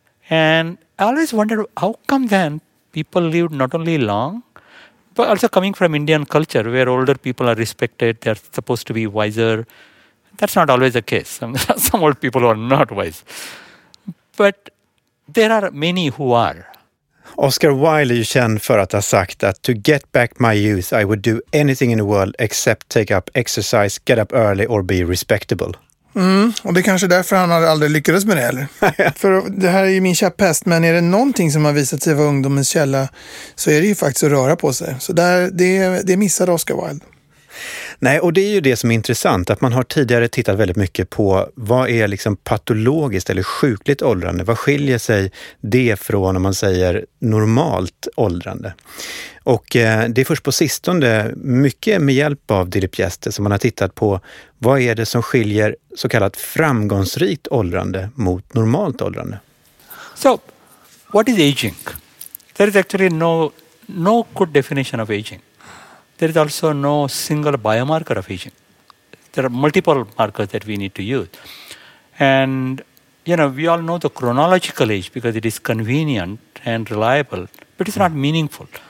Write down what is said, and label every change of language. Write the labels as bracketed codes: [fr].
[en] And I always wondered, how come then people lived not only long, but also coming from Indian culture where older people are respected, they're supposed to be wiser. That's not always the case. Some old people are not wise. But there are many who are. [sv] Oscar Wilde är ju känd för att ha sagt att [en] to get back my youth I would do anything in the world except take up exercise, get up early or be respectable. [sv] Mm, och det är kanske därför han har aldrig lyckats med det heller. För det här är ju min käpphäst, men är det någonting som har visat sig vara ungdomens källa så är det ju faktiskt att röra på sig. Så där, det missade Oscar Wilde. Nej, och det är ju det som är intressant, att man har tidigare tittat väldigt mycket på vad är liksom patologiskt eller sjukligt åldrande. Vad skiljer sig det från, om man säger, normalt åldrande? Och det är först på sistone, mycket med hjälp av Dilip Gäste, som man har tittat på vad är det som skiljer så kallat framgångsrikt åldrande mot normalt åldrande. [en] So, what is aging? There is actually no good definition of aging. There is also no single biomarker of aging. There are multiple markers that we need to use. And, you know, we all know the chronological age because it is convenient and reliable, but it's not meaningful.